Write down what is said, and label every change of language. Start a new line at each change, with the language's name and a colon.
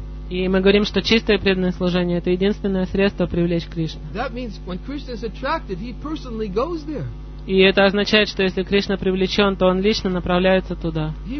Russian: И мы говорим, что чистое преданное служение — это единственное средство привлечь Кришну.
English: That means when Krishna is attracted, he personally goes there.
Russian: И это означает, что если Кришна привлечен, то он лично направляется туда.